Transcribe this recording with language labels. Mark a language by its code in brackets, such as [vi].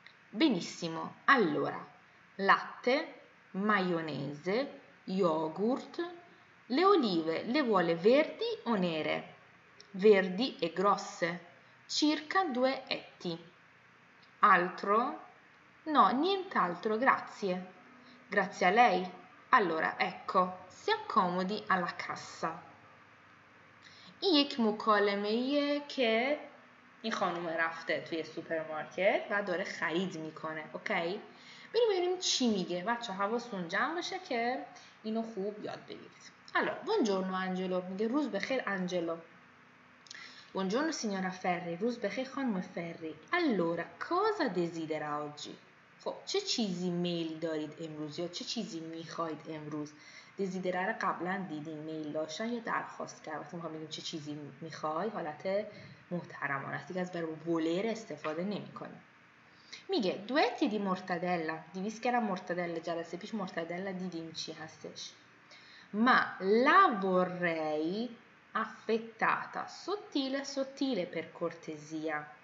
[it] Benissimo, allora, latte, maionese, yogurt, le olive le vuole verdi o nere? Verdi e grosse, circa due etti. Altro? No, nient'altro, grazie. Grazie a lei. Allora, ecco, si accomodi alla cassa. [fa] یک مکالمه‌ایه که این خانم رفته توی سوپرمارکت و داره خرید میکنه. اوکی؟ بریم ببینیم چی میگه. بچه حواستون جمع باشه که اینو خوب یاد بگیرید. [it] Allora, buongiorno Angelo. [fa] میگه روز بخیر Angelo. [it] Buongiorno signora Ferri. [fa] روز بخیر خانم Ferri. [it] Allora, cosa desidera oggi? [fa] خب چه چیزی میل دارید امروز یا چه چیزی میخواید امروز؟ desidera را قبلا دیدیم، میل داشتن یا درخواست کردن. وقتی میخوام بگیم چه چیزی میخوای، حالت محترمانه است، دیگه از verb voler استفاده نمیکنیم. میگه [it] due etti di mortadella. [fa] دیویس که را mortadella، جلسه پیش mortadella دیدیم چی هستش. [it] Ma la vorrei affettata, sottile, sottile, per cortesia.